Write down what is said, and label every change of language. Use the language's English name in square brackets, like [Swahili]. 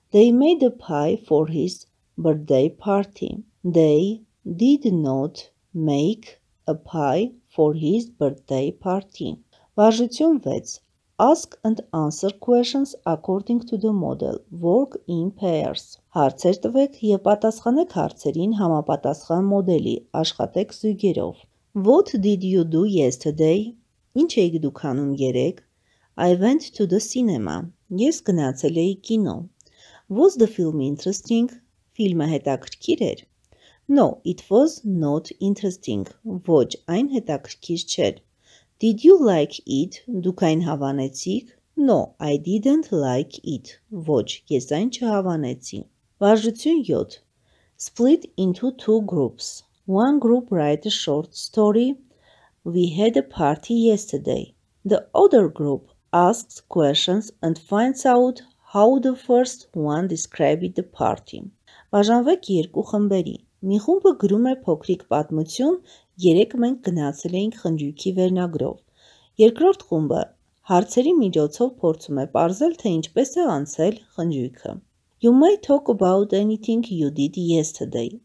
[English] They made a pie for his birthday party. They did not make a pie for his birthday party. [Armenian] Վարժություն 6. [English] Ask and answer questions according to the model. Work in pairs. [Armenian] Հարցեր տվեք եւ պատասխանեք հարցերին համապատասխան մոդելի, աշխատեք զույգերով. [English] What did you do yesterday? [Armenian] Ինչ էիք դուք անում երեկ? [English] I went to the cinema. [Armenian] Ես գնացել էի կինո. [English] Was the film interesting? [Armenian] Ֆիլմը հետաքրքիր էր։ [English] No, it was not interesting. [Armenian] Ոչ, այն հետաքրքիր չէր։ [English] Did you like it? [Armenian] Դուք այն հավանեցիք։ [English] No, I didn't like it. [Armenian] Ոչ, ես այն չհավանեցի։ Վարժություն 7. [English] Split into two groups. One group write a short story. We had a party yesterday. The other group asks questions and finds out how the first one described the party. [Armenian] Բաժանվեք երկու խմբերի։ Մի խումբը գրում է փոքրիկ պատմություն, երեք մենք գնացել էինք խնջույքի վերնագրով։ Երկրորդ խումբը հարցերի միջոցով փորձում է պարզել, թե ինչպես է անցել խնջույքը։ [English] You may talk about anything you did yesterday.